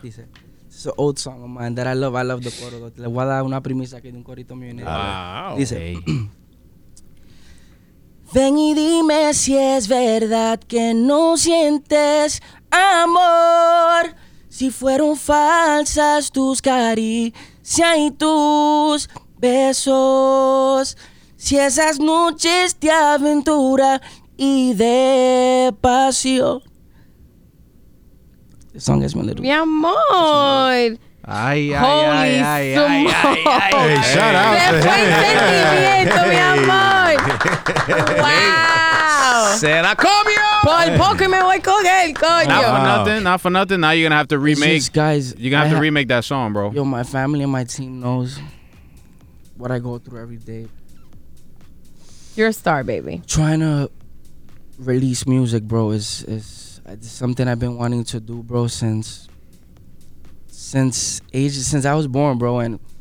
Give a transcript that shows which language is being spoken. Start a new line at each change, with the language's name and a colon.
English: Dice, it's an old song of mine that I love the coro.
Spanish: Le voy a dar una premisa aquí de un corito mío. Dice, ven y dime si es verdad que no sientes amor. Si fueron falsas tus caricias y tus besos. Si esas noches de aventura y de pasión.
English: The song is my little.
Spanish: Mi amor. Ay,
English: shout out to him. Hey. Wow.
Spanish: Será cómo. Por poco me voy con él, coño.
English: Not for nothing. Now you're going to have to remake. You're going to have to remake that song, bro. Yo, my family and my team knows what I go through every day. You're a star, baby. Trying to release music, bro, is something I've been wanting to do, bro, since I was born, bro.